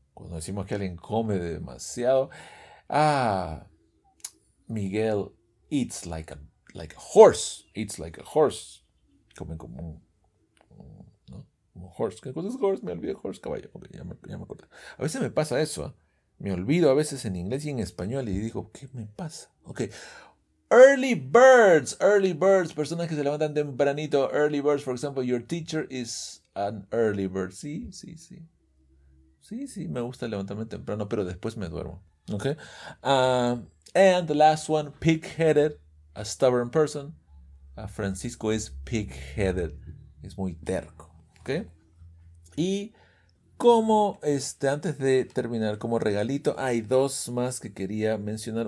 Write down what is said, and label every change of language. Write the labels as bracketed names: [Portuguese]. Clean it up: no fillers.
[Spanish] Cuando decimos que alguien come demasiado, ah, [English] Miguel eats like a horse, eats like a horse. [Spanish] Comen como un, horse. ¿Qué cosa es horse? Me olvidé horse, caballo. Okay, ya me acordé. A veces me pasa eso, ¿eh? Me olvido a veces en inglés y en español y digo, ¿qué me pasa? Ok. Early birds, personas que se levantan tempranito. [English] Early birds, for example, your teacher is an early bird. [Spanish] Sí. Sí, me gusta levantarme temprano, pero después me duermo. [English] Ok. And the last one, pig-headed, a stubborn person. [Spanish] Francisco es pig-headed, es muy terco. Ok. Y como antes de terminar, como regalito, hay dos más que quería mencionar.